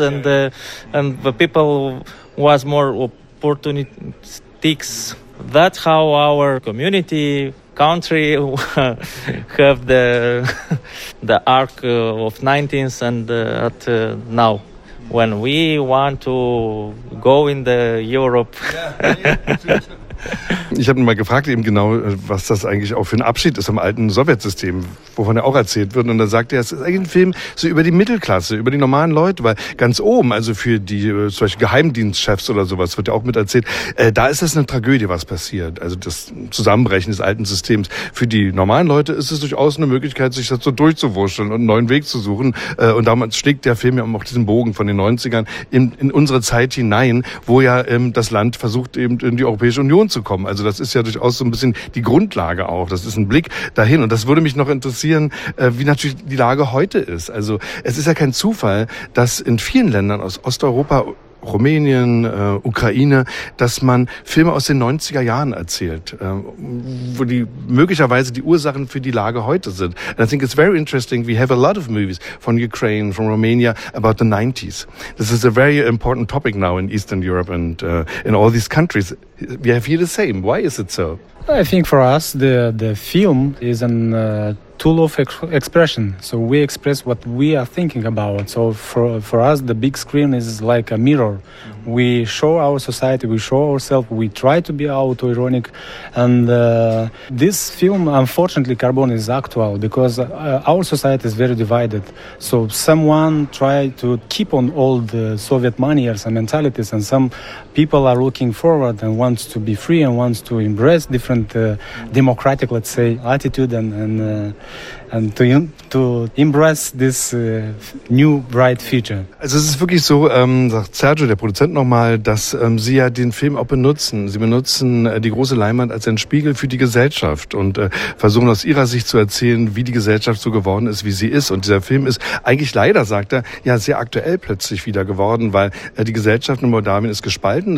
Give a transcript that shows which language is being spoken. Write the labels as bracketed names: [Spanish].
[English] And and the people was more opportunities. That's how our community, country have the arc of 19th and at now, when we want to go in the Europe. [German] Ich habe ihn mal gefragt, eben genau, was das eigentlich auch für ein Abschied ist vom alten Sowjetsystem, wovon er auch erzählt wird. Und dann sagt er, es ist eigentlich ein Film so über die Mittelklasse, über die normalen Leute, weil ganz oben, also für die zum Beispiel Geheimdienstchefs oder sowas, wird ja auch mit erzählt, da ist das eine Tragödie, was passiert. Also das Zusammenbrechen des alten Systems. Für die normalen Leute ist es durchaus eine Möglichkeit, sich dazu durchzuwurscheln und einen neuen Weg zu suchen. Und damals schlägt der Film ja auch diesen Bogen von den 90ern in unsere Zeit hinein, wo ja das Land versucht, eben in die Europäische Union zu kommen. Also das ist ja durchaus so ein bisschen die Grundlage auch. Das ist ein Blick dahin. Und das würde mich noch interessieren, wie natürlich die Lage heute ist. Also es ist ja kein Zufall, dass in vielen Ländern aus Osteuropa, Rumänien, Ukraine, dass man Filme aus den 90er Jahren erzählt, wo die möglicherweise die Ursachen für die Lage heute sind. [English] And I think it's very interesting, we have a lot of movies from Ukraine, from Romania, about the 90s. This is a very important topic now in Eastern Europe and in all these countries. We have here the same. Why is it so? I think for us, the film is an tool of expression. So we express what we are thinking about. So for us, the big screen is like a mirror. We show our society, we show ourselves, we try to be auto-ironic. And this film, unfortunately, Carbon is actual because our society is very divided. So someone try to keep on all the Soviet manners and mentalities, and some people are looking forward and wants to be free and wants to embrace different democratic, let's say, attitude and to embrace this new bright future. [German] Also es ist wirklich so, sagt Sergio, der Produzent nochmal, dass Sie ja den Film auch benutzen. Sie benutzen die große Leinwand als einen Spiegel für die Gesellschaft und versuchen aus Ihrer Sicht zu erzählen, wie die Gesellschaft so geworden ist, wie sie ist. Und dieser Film ist eigentlich leider, sagt er, ja sehr aktuell plötzlich wieder geworden, weil die Gesellschaft in Moldawien ist gespalten.